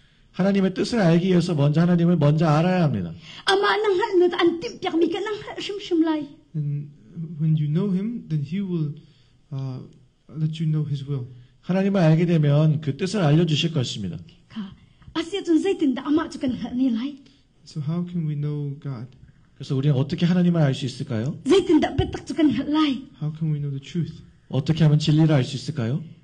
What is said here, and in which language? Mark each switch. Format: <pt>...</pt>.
<ko>하나님의 뜻을 알기 위해서 먼저 하나님을 먼저 알아야 합니다.</ko> <en>And when you know him, then he will let you know his will.</en> <ko>하나님을 알게 되면 그 뜻을 알려 주실 것입니다.</ko> <en>So how can we know God?</en> <ko>그래서 우리는 어떻게 하나님을 알 수 있을까요?</ko> <en>How can we know the truth?</en> <ko>어떻게 하면 진리를 알 수 있을까요?</ko>